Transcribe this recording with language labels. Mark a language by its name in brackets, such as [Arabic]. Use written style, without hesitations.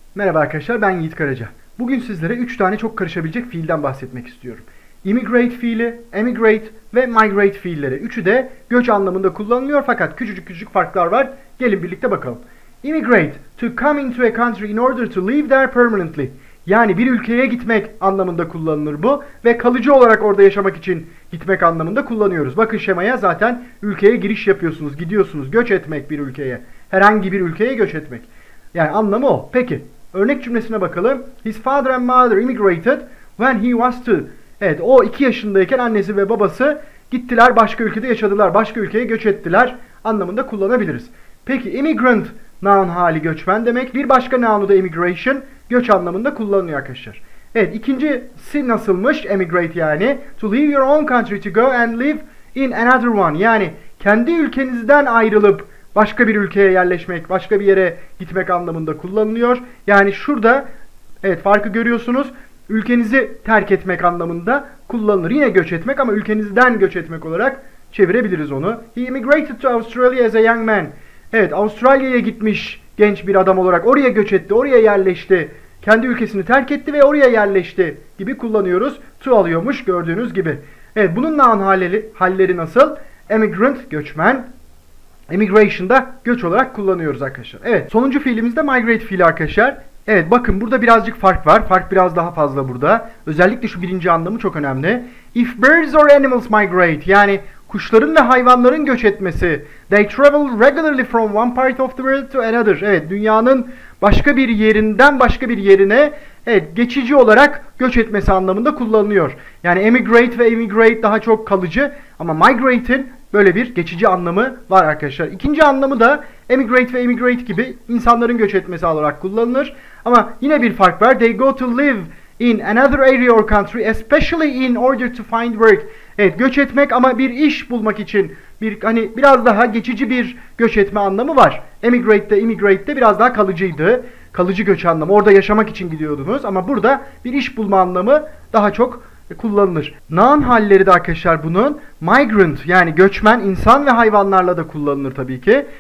[Turkish] Merhaba arkadaşlar, ben Yiğit Karaca. Bugün sizlere 3 tane çok karışabilecek fiilden bahsetmek istiyorum. Immigrate fiili, emigrate ve migrate fiilleri. Üçü de göç anlamında kullanılıyor fakat küçücük küçücük farklar var. Gelin birlikte bakalım. [English] Immigrate, to come into a country in order to live there permanently. [Turkish] Yani bir ülkeye gitmek anlamında kullanılır bu ve kalıcı olarak orada yaşamak için gitmek anlamında kullanıyoruz. Bakın şemaya, zaten ülkeye giriş yapıyorsunuz, gidiyorsunuz, göç etmek bir ülkeye. Herhangi bir ülkeye göç etmek. Yani anlamı o. Peki, örnek cümlesine bakalım. [English] His father and mother immigrated when he was two. [Turkish] Evet, o 2 yaşındayken annesi ve babası gittiler, başka ülkede yaşadılar, başka ülkeye göç ettiler anlamında kullanabiliriz. Peki, immigrant noun hali göçmen demek. Bir başka noun'u da immigration, göç anlamında kullanılıyor arkadaşlar. Evet, ikincisi nasılmış? Emigrate yani. [English] To leave your own country to go and live in another one. [Turkish] Yani kendi ülkenizden ayrılıp başka bir ülkeye yerleşmek, başka bir yere gitmek anlamında kullanılıyor. Yani şurada, evet, farkı görüyorsunuz. Ülkenizi terk etmek anlamında kullanılır. Yine göç etmek ama ülkenizden göç etmek olarak çevirebiliriz onu. [English] He immigrated to Australia as a young man. [Turkish] Evet, Avustralya'ya gitmiş genç bir adam olarak. Oraya göç etti, oraya yerleşti. Kendi ülkesini terk etti ve oraya yerleşti gibi kullanıyoruz. To alıyormuş gördüğünüz gibi. Evet, bunun noun halleri nasıl? Emigrant, göçmen. Emigration'da göç olarak kullanıyoruz arkadaşlar. Evet, sonuncu fiilimiz de migrate fiili arkadaşlar. Evet, bakın burada birazcık fark var. Fark biraz daha fazla burada. Özellikle şu birinci anlamı çok önemli. [English] If birds or animals migrate, [Turkish] yani kuşların ve hayvanların göç etmesi. [English] They travel regularly from one part of the world to another. [Turkish] Evet, dünyanın başka bir yerinden başka bir yerine, evet, geçici olarak göç etmesi anlamında kullanılıyor. Yani emigrate ve immigrate daha çok kalıcı ama migrate'in böyle bir geçici anlamı var arkadaşlar. İkinci anlamı da emigrate ve immigrate gibi insanların göç etmesi olarak kullanılır. Ama yine bir fark var. [English] They go to live in another area or country, especially in order to find work. [Turkish] Evet, göç etmek ama bir iş bulmak için, bir hani biraz daha geçici bir göç etme anlamı var. Emigrate'de, immigrate'de biraz daha kalıcıydı. Kalıcı göç anlamı. Orada yaşamak için gidiyordunuz ama burada bir iş bulma anlamı daha çok kullanılır. Noun halleri de arkadaşlar bunun migrant, yani göçmen, insan ve hayvanlarla da kullanılır tabii ki.